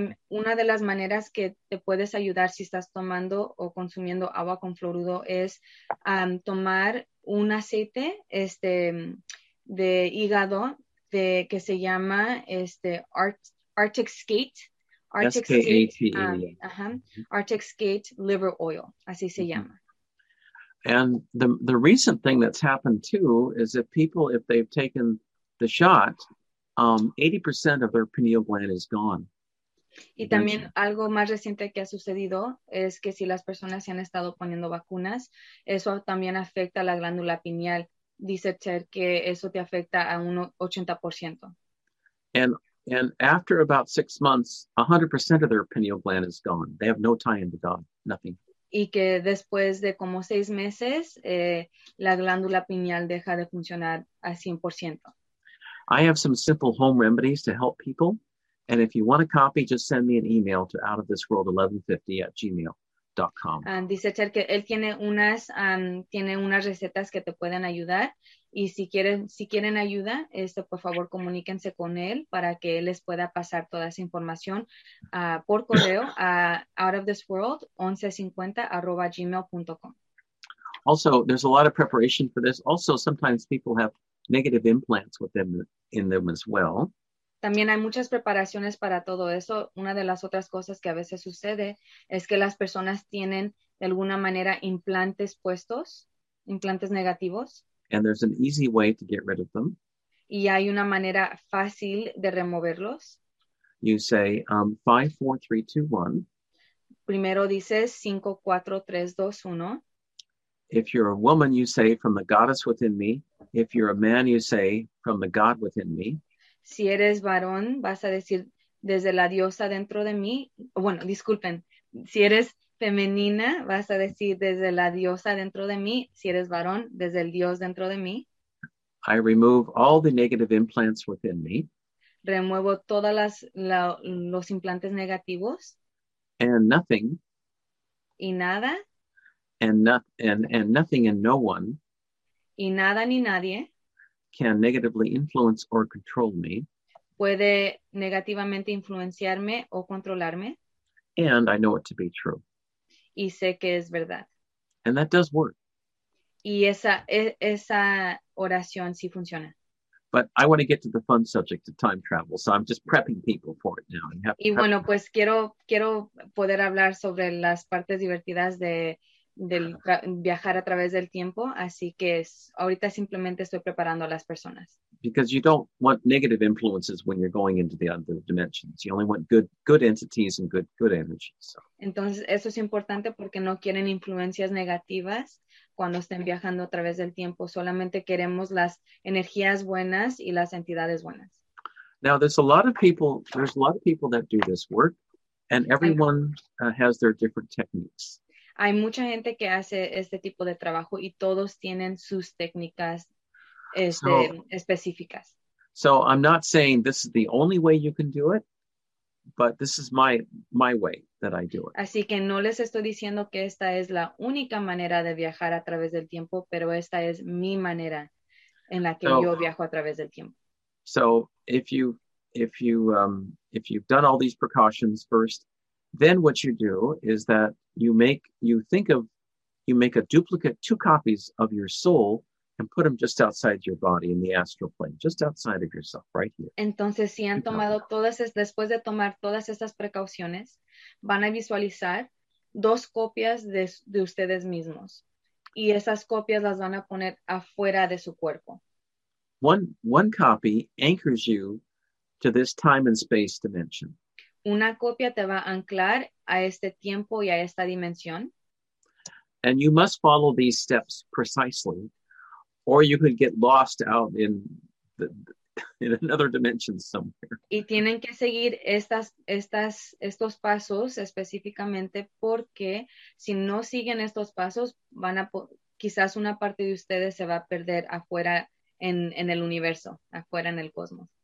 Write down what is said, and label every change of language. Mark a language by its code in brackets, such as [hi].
[es] Una de las maneras que te puedes ayudar si estás tomando o consumiendo agua con fluoruro es tomar un aceite de hígado que se llama Arctic skate liver oil. Así se llama. [en] And the recent thing that's happened too is that people, if they've taken the shot, 80% of their pineal gland is gone. [es] Y también algo más reciente que ha sucedido es que si las personas se han estado poniendo vacunas, eso también afecta a la glándula pineal. Dice Cher que eso te afecta a un 80%. [en] And after about 6 months, 100% of their pineal gland is gone. They have no tie into God, nothing. [es] Y que después de como 6 meses, la glándula pineal deja de funcionar al 100%. [en] I have some simple home remedies to help people. And if you want a copy, just send me an email to outofthisworld1150@gmail.com. www.ramsdoctor.com. [es] Dice Ter que él tiene unas recetas que te pueden ayudar. Y si quieren ayuda, por favor, comuníquense con él para que él les pueda pasar toda esa información por correo a outofthisworld1150@gmail.com. [en] Also, there's a lot of preparation for this. Also, sometimes people have negative implants with them in them as well. [es] También hay muchas preparaciones para todo eso. Una de las otras cosas que a veces sucede es que las personas tienen de alguna manera implantes puestos, implantes negativos. [en] And there's an easy way to get rid of them. [es] Y hay una manera fácil de removerlos. [en] You say 54321. [es] Primero dices 54321. [en] If you're a woman, you say from the goddess within me. If you're a man, you say from the god within me. [es] Si eres varón, vas a decir desde la diosa dentro de mí. Bueno, disculpen. Si eres femenina, vas a decir desde la diosa dentro de mí. Si eres varón, desde el dios dentro de mí. [en] I remove all the negative implants within me. [es] Remuevo todas los implantes negativos. [en] And nothing. [es] Y nada. [en] And nothing and no one. [es] Y nada ni nadie. [en] Can negatively influence or control me. [es] Puede negativamente influenciarme o controlarme. [en] And I know it to be true. [es] Y sé que es verdad. [en] And that does work. [es] Y esa oración sí funciona. [en] But I want to get to the fun subject of time travel, so I'm just prepping people for it now. [es] Y bueno, pues quiero poder hablar sobre las partes divertidas del viajar a través del tiempo, así que ahorita simplemente estoy preparando a las personas. [en] Because you don't want negative influences when you're going into the other dimensions. You only want good entities and good energies. So. [es] Entonces, eso es importante porque no quieren influencias negativas cuando estén viajando a través del tiempo. Solamente queremos las energías buenas y las entidades buenas. [en] Now, there's a lot of people that do this work, and everyone has their different techniques. [es] Hay mucha gente que hace este tipo de trabajo y todos tienen sus técnicas específicas. [en] So I'm not saying this is the only way you can do it, but this is my way that I do it. [es] Así que no les estoy diciendo que esta es la única manera de viajar a través del tiempo, pero esta es mi manera en la que yo viajo a través del tiempo. [en] So if you've done all these precautions first, then what you do is that you make a duplicate, two copies of your soul and put them just outside your body in the astral plane, just outside of yourself, right here. [es] Entonces, si han tomado después de tomar todas estas precauciones, van a visualizar dos copias de ustedes mismos. Y esas copias las van a poner afuera de su cuerpo. [en] One copy anchors you to this time and space dimension. [es] Una copia te va a anclar a este tiempo y a esta dimensión. [en] And you must follow these steps precisely, or you could get lost out in another dimension somewhere. [es] Y tienen que seguir estos pasos específicamente, porque si no siguen estos pasos, quizás una parte de ustedes se va a perder afuera en el universo, afuera en el cosmos.